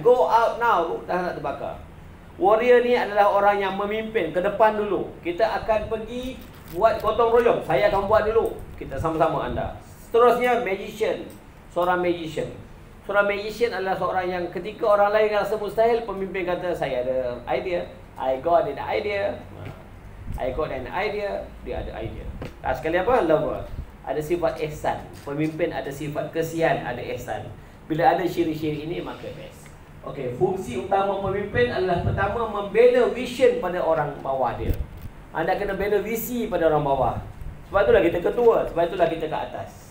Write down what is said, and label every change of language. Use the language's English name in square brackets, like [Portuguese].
[English] Go out now, [Malay] dah tak terbakar. Warrior ni adalah orang yang memimpin ke depan dulu. Kita akan pergi buat gotong royong. Saya akan buat dulu. Kita sama-sama anda. Seterusnya, magician. Seorang magician. Seorang magician adalah seorang yang ketika orang lain rasa mustahil, pemimpin kata, saya ada idea. [English] I got an idea. I got an idea. [Malay] Dia ada idea. Tak sekali apa? Lover. Ada sifat ihsan. Pemimpin ada sifat kesian, ada ihsan. Bila ada ciri-ciri ini, maka best. Okey, fungsi utama pemimpin adalah pertama, membina vision pada orang bawah dia. Anda kena bina visi pada orang bawah. Sebab itulah kita ketua, sebab itulah kita ke atas.